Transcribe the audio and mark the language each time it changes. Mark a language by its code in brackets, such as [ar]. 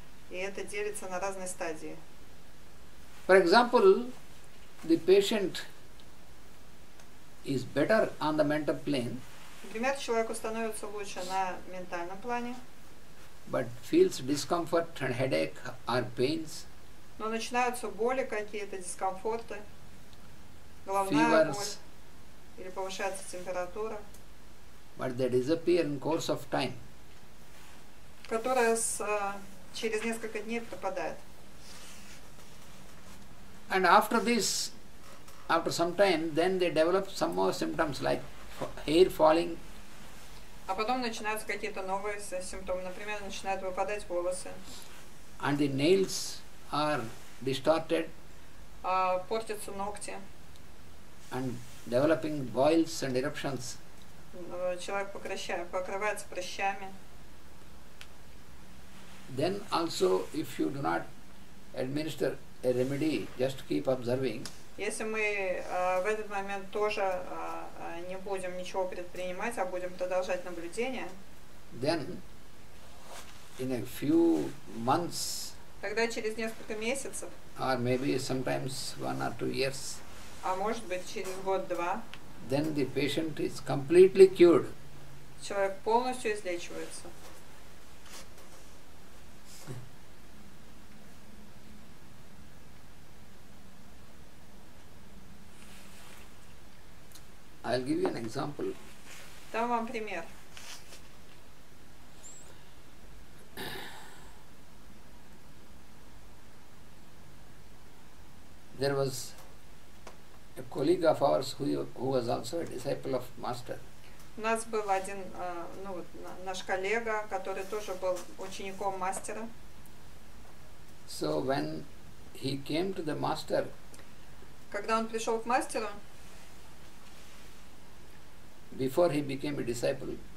[ru] И это делится на разные стадии. [en] For example, the patient is better on the mental plane. [ru] Например, человеку становится лучше на ментальном плане. [en] But feels discomfort and headache or pains. [ru] Но начинаются боли какие-то, дискомфорты. Головная [en] Fevers. [ru] Боль. Или повышается температура. [en] But they disappear in course of time. [ru] Которая через несколько дней пропадает. [en] And after this, after some time, then they develop some more symptoms like hair falling. [ru] А потом начинаются какие-то новые симптомы. Например, начинают выпадать волосы. [en] And the nails are distorted. [ru] Портятся ногти. [en] And developing boils and eruptions. [ru] Человек покрывается прыщами. [en] Then also, if you do not administer a remedy, just keep observing. [ru] Если мы в этот момент тоже не будем ничего предпринимать, а будем продолжать наблюдение, [en] then in a few months, [ru] тогда через несколько месяцев, [en] or maybe sometimes 1 or 2 years, [ru] а может быть через год-два, [en] then the patient is completely cured. [ru] Человек полностью излечивается. [en] I'll give you an example. [ru] Дам вам пример. [en] There was a colleague of ours who was also a disciple of Master. [ru] У нас был один, наш коллега, который тоже был учеником мастера. [en] So when he came to the Master, [ru] когда он пришел к мастеру, [en] before he became a disciple.